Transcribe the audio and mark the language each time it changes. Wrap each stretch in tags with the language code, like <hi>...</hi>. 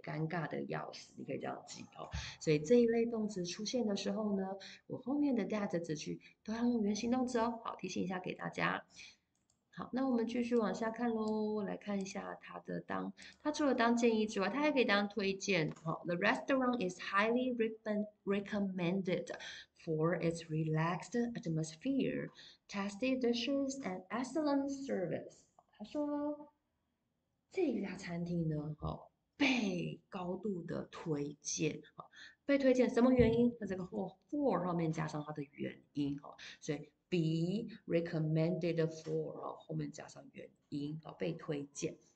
<zh>尴尬的要死，你可以这样记哦。所以这一类动词出现的时候呢，我后面的 that 子句都要用原形动词哦。好，提醒一下给大家。好，那我们继续往下看喽。来看一下它的当，它除了当建议之外，它还可以当推荐。好，</zh> <en>The restaurant is highly recommended for its relaxed atmosphere, tasty dishes, and excellent service。</en> <zh>他说，这家餐厅呢，哦，被高度的推荐。哦，被推荐什么原因？那这个 for 后面加上它的原因。哦，所以。</zh> <en>Be recommended for，</en> <zh>后面加上原因，被推荐。</zh>